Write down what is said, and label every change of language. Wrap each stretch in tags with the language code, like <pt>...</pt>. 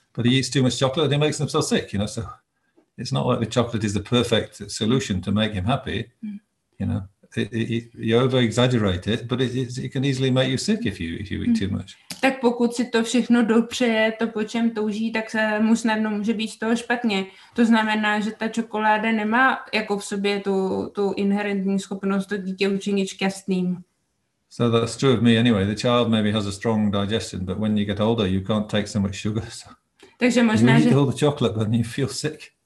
<en>But he eats too much chocolate, and he makes himself sick. You know, so it's not like the chocolate is the perfect solution to make him happy. You know. You over-exaggerate it, but it can easily make you sick if you eat too much.</en> <cs>Tak pokud si to všechno dopřeje, to po čem touží, tak se mu snadno může být z toho špatně. To znamená, že ta čokoláda nemá jako v sobě tu inherentní schopnost to dítě učinit šťastným.</cs> <en>So that's true of me anyway. The child maybe has a strong digestion, but when you get older, you can't take so much sugar. So</en> <cs>takže možná,</cs> <en>you eat all the chocolate, but you feel sick.</en>